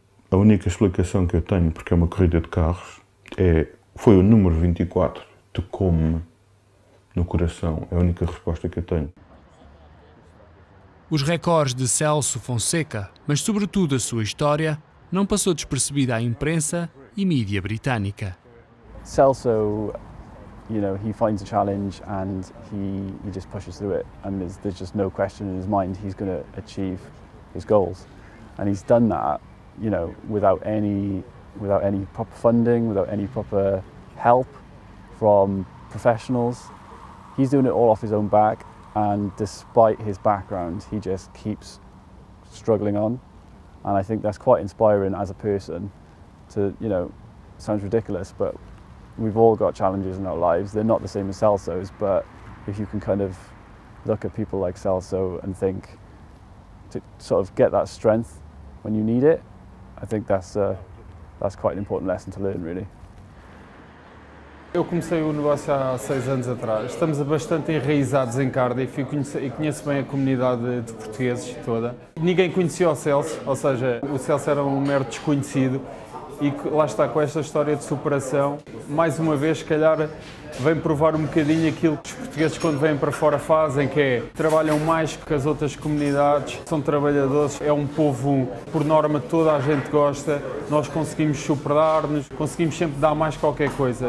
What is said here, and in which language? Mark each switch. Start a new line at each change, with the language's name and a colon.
Portuguese: A única explicação que eu tenho, porque é uma corrida de carros, é foi o número 24 de como no coração. É a única resposta que eu tenho. Os recordes de Celso Fonseca, mas sobretudo a sua história, não passou despercebida à imprensa e mídia britânica.
English: Celso, you know, he finds a challenge and he just pushes through it, and there's just no question in his mind he's going to achieve his goals, and he's done that, you know, without any proper funding, without any proper help from professionals. He's doing it all off his own back, and despite his background, he just keeps struggling on, and I think that's quite inspiring as a person. To, you know, sounds ridiculous, but we've all got challenges in our lives. They're not the same as Celso's, but if you can kind of look at people like Celso and think to sort of get that strength when you need it, I think that's quite an important lesson to learn, really.
Portuguese: Eu comecei o negócio há 6 anos atrás. Estamos bastante enraizados em Cardiff e conheço bem a comunidade de portugueses toda. Ninguém conhecia o Celso, ou seja, o Celso era um mero desconhecido. E lá está, com esta história de superação, mais uma vez, se calhar, vem provar um bocadinho aquilo que os portugueses, quando vêm para fora, fazem, que é trabalham mais que as outras comunidades, são trabalhadores, é um povo, por norma, toda a gente gosta, nós conseguimos superar-nos, conseguimos sempre dar mais qualquer coisa.